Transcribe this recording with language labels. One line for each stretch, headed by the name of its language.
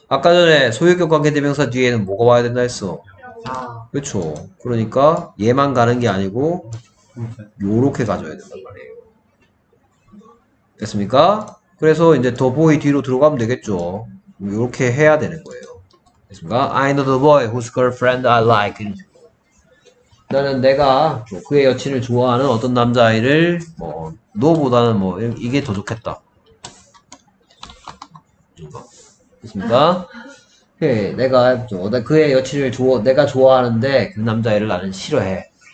Korean: 아까 전에 소유격 관계 대명사 뒤에는 뭐가 와야 된다 했어. 그쵸. 그러니까 얘만 가는 게 아니고, 요렇게 가져야 된단 말이에요. 됐습니까? 그래서 이제 더 보이 뒤로 들어가면 되겠죠. 요렇게 해야 되는 거예요. 됐습니까?
English: I know the boy whose girlfriend I like.
Korean: 나는 내가 그의 여친을 좋아하는 어떤 남자아이를 뭐 너보다는 뭐 이게 더 좋겠다. 됐습니까? 네, 그의 여친을 내가 좋아하는데 그 남자아이를 나는 싫어해.